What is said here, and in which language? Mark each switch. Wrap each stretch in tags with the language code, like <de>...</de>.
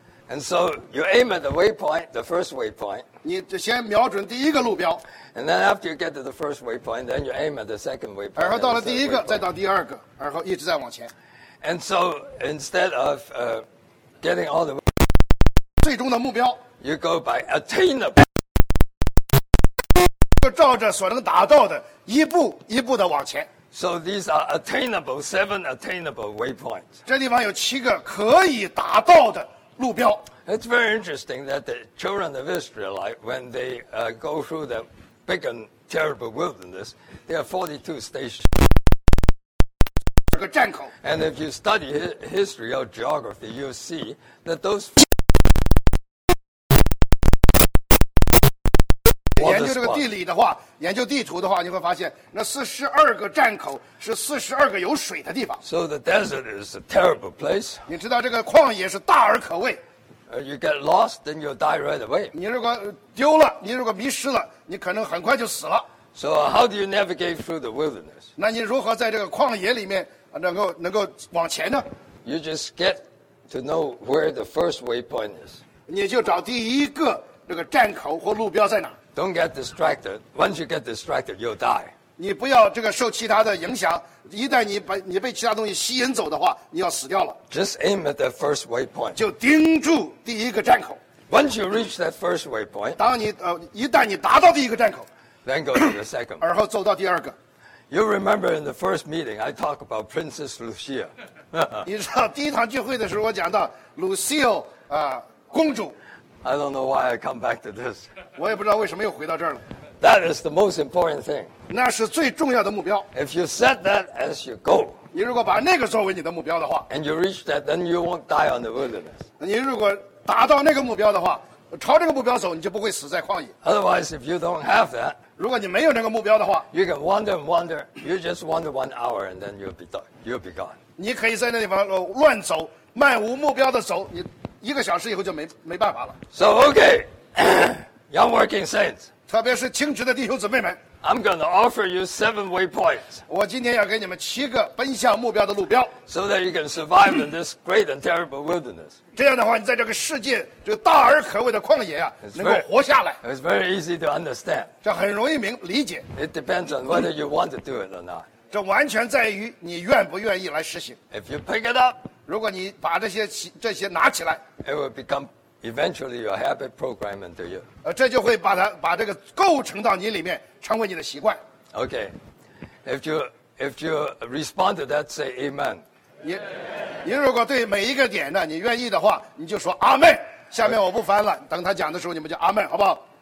<en>？And so you aim at the waypoint, the first waypoint.</en> <zh>你就先瞄准第一个路标。</zh> <en>And then after you get to the first waypoint, then you aim at the second waypoint.</en> <zh>然后到了第一个，再到第二个，然后一直在往前。</zh> <en>And so instead of getting all the</en> <zh>最终的目标。</zh> <en>you go by attainable.</en> <zh>就照着所能达到的，一步一步的往前。</zh> <en>So these are attainable, seven attainable waypoints.</en> <zh>这地方有七个可以达到的路标。</zh> <en>It's very interesting that the children of Israel, like, when they go through the big and terrible wilderness, there are 42 stations.</en> <zh>这个站口。</zh> <en>And if you study history or geography, you'll see that those.</en> <zh>研究这个地理的话，研究地图的话，你会发现那四十二个站口是四十二个有水的地方。</zh> <en>So the desert is a terrible place.</en> <zh>你知道这个旷野是大而可畏。</zh> <en>You get lost, then you die right away. 你如果丢了，你如果迷失了，你可能很快就死了。 So how do you navigate through the wilderness? 那你如何在这个旷野里面能够往前呢？You just get to know where the first waypoint is. 你就找第一个这个站口或路标在哪。 Don't get distracted. Once you get distracted, you'll die.</en> <zh>你不要这个受其他的影响。一旦你被其他东西吸引走的话，你要死掉了。</zh> <en>Just aim at the first waypoint.</en> <zh>就盯住第一个站口。</zh> <en>Once you reach that first waypoint,</en> <zh>当你一旦你达到第一个站口</zh> <en>，then go to the second.</en> <zh>而后走到第二个。</zh> <en>You remember in the first meeting, I talk about Princess Lucia.</en> <zh>你知道第一堂聚会的时候，我讲到 Lucille 公主。</zh> <en>I don't know why I come back to this.</en> <zh>我也不知道为什么又回到这儿了。</zh> <en>That is the most important thing.</en> <zh>那是最重要的目标。</zh> <en>If you set that as your goal,</en> <zh>你如果把那个作为你的目标的话</zh> <en>，and you reach that, then you won't die on the wilderness.</en> <zh>你如果达到那个目标的话，朝这个目标走，你就不会死在旷野。</zh> <en>Otherwise, if you don't have that,</en> <zh>如果你没有那个目标的话</zh> <en>，you can wander and wander. You just wander 1 hour, and then you'll be gone.</en> <zh>你可以在那地方乱走，漫无目标的走，你一个小时以后就没办法了。</zh> <en>So okay, young working saints.</en> <zh>特别是清职的弟兄姊妹们。</zh> <en>I'm going to offer you 7 waypoints.</en> <zh>我今天要给你们七个奔向目标的路标。</zh> <en>So that you can survive in this great and terrible wilderness.</en> <zh>这样的话，你在这个世界这个大而可畏的旷野啊，能够活下来。</zh> <en>It's very easy to understand.</en> <zh>这很容易明理解。</zh> <en>It depends on whether you want to do it or not.</en> <zh>这完全在于你愿不愿意来实行。</zh> <en>If you pick it up.</en> <zh>如果你把这些拿起来</zh> <en>，it will become eventually your habit program into you。</en> <zh>这就会把这个构成到你里面，成为你的习惯。</zh> <en>Okay, if you respond to that, say amen。</en> <zh>你如果对每一个点呢，你愿意的话，你就说阿门。下面我不翻了， okay. 等他讲的时候，你们就阿门，好不好</zh>